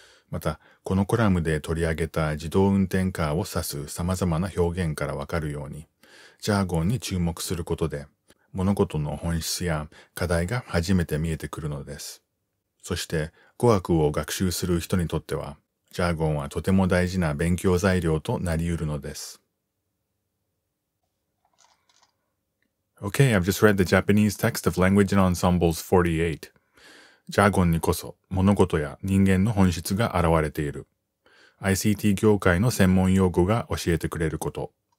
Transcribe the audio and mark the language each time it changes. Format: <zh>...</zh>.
<ja>また、このコラムで取り上げた自動運転カーを指す様々な表現からわかるように、ジャーゴンに注目することで、物事の本質や課題が初めて見えてくるのです。そして、語学を学習する人にとっては、ジャーゴンはとても大事な勉強材料となりうるのです。</ja> <en>Okay, I've just read the Japanese text of Language and Ensembles 48.</en> <ja>ジャーゴンにこそ物事や人間の本質が現れている。 ICT 業界の専門用語が教えてくれること。</ja>